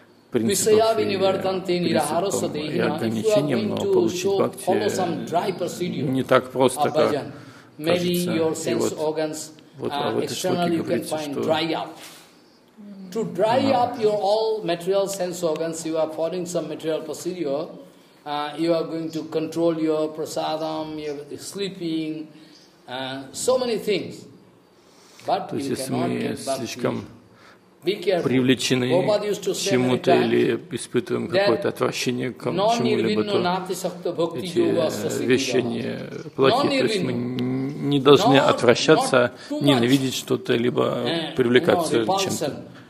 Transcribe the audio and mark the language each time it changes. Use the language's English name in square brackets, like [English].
[Russian] принципов и принципов и ограничениям, но получить бхакти не так просто, как кажется. И вот в этой шлоке говорится, что [English] to dry up your all material sense organs, you are following some material procedure, you are going to control your prasadam, your sleeping, so many things. But [Russian] то есть если мы слишком привлечены к чему-то или испытываем какое-то отвращение к чему-либо, то эти вещи не плохие. То есть мы не должны отвращаться, ненавидеть что-то, либо привлекаться к чему-то.